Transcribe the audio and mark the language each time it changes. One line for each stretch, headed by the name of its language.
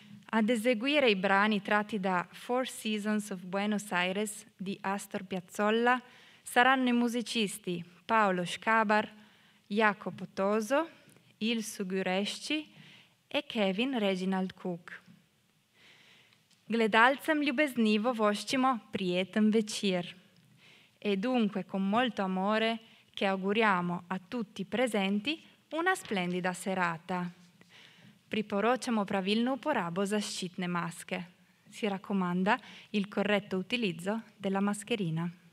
Italian: Ad eseguire i brani tratti da Four Seasons of Buenos Aires di Astor Piazzolla saranno i musicisti Paolo Škabar, Jacopo Tozo, Ilsu Gurešči e Kevin Reginald Cook.
Slovenian: Gledalcem ljubeznivo voščimo prijeten večer.
Italian: e dunque con molto amore che auguriamo a tutti i presenti una splendida serata.
Slovenian: Priporočamo pravilnu uporabo zaščitne maske.
Italian: Si raccomanda il corretto utilizzo della mascherina.